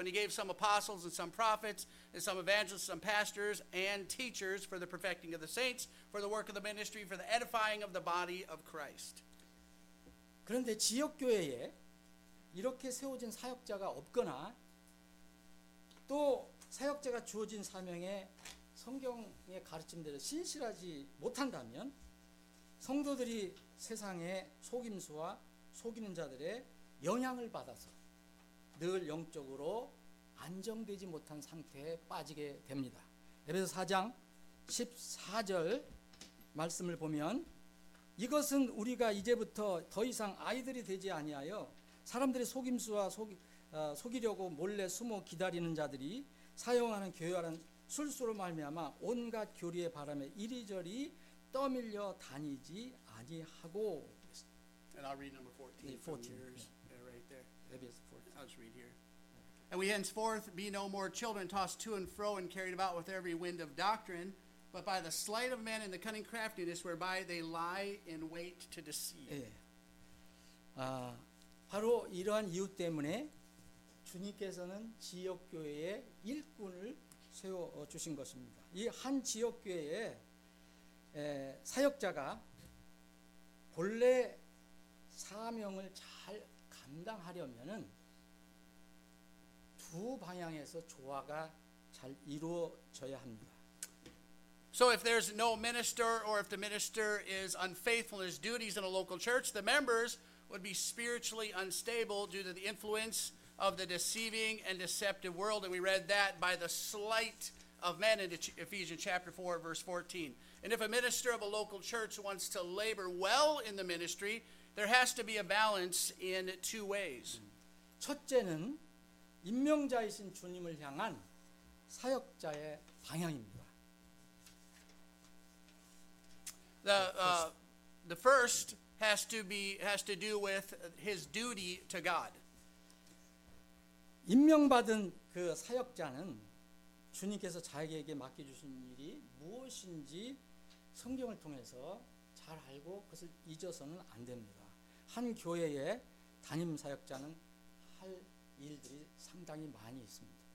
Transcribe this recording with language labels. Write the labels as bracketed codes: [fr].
[en] And he gave some apostles and some prophets and some evangelists, some pastors and teachers for the perfecting of the saints, for the work of the ministry, for the edifying of the body of Christ. [ko] 그런데 지역교회에 이렇게 세워진 사역자가 없거나 또 사역자가 주어진 사명에 성경의 가르침대로 신실하지 못한다면 성도들이 세상의 속임수와 속이는 자들의 영향을 받아서 늘 영적으로 안정되지 못한 상태에 빠지게 됩니다. 에베소서 4장 14절 말씀을 보면 이것은 우리가 이제부터 더 이상 아이들이 되지 아니하여 사람들의 속임수와 속이려고 몰래 숨어 기다리는 자들이 사용하는 교활한 술수로 말미암아 온갖 교리의 바람에 이리저리 떠밀려 다니지 아니하고. [en] And I'll read number 14. 14. Yeah, right there. Maybe it's 14. I'll just read here. And we henceforth be no more children tossed to and fro and carried about with every wind of doctrine, but by the sleight of men and the cunning craftiness whereby they lie in wait to deceive. [ko] 예. 아, 바로 이러한 이유 때문에 주님께서는 지역 교회에 일꾼을 세워 주신 것입니다. 이 한 지역 교회에 사역자가 본래 사명을 잘 감당하려면은 두 방향에서 조화가 잘 이루어져야 합니다. [en] So if there's no minister or if the minister is unfaithful in his duties in a local church, the members would be spiritually unstable due to the influence of the deceiving and deceptive world. And we read that by the sleight of men in Ephesians chapter 4, verse 14. And if a minister of a local church wants to labor well in the ministry, there has to be a balance in two ways. [ko] 첫째는 임명자이신 주님을 향한 사역자의 방향입니다. [en] The first has to do with his duty to God. [ko] 임명받은 그 사역자는 주님께서 자기에게 맡겨주신 일이 무엇인지 성경을 통해서 잘 알고 그것을 잊어서는 안 됩니다. 한 교회의 담임 사역자는 할 일들이 상당히 많이 있습니다.